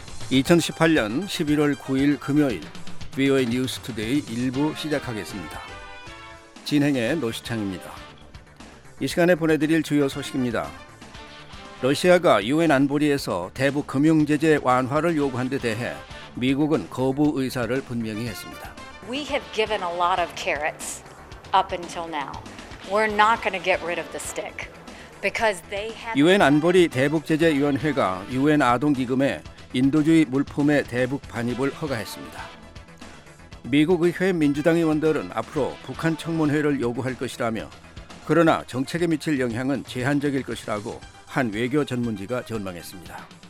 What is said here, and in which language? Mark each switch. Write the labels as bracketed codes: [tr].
[ko] 2018년 11월 9일 금요일 비오에이 뉴스 투데이 1부 시작하겠습니다. 진행의 노시창입니다. 이 시간에 보내드릴 주요 소식입니다. 러시아가 유엔 안보리에서 대북 금융 제재 완화를 요구한 데 대해 미국은 거부 의사를 분명히 했습니다. [en] We have given a lot of carrots up until now. We're not going to get rid of the stick. [ko] 유엔 안보리 대북제재위원회가 유엔 아동기금에 인도주의 물품의 대북 반입을 허가했습니다. 미국의회 민주당 의원들은 앞으로 북한 청문회를 요구할 것이라며 그러나 정책에 미칠 영향은 제한적일 것이라고 한 외교 전문지가 전망했습니다.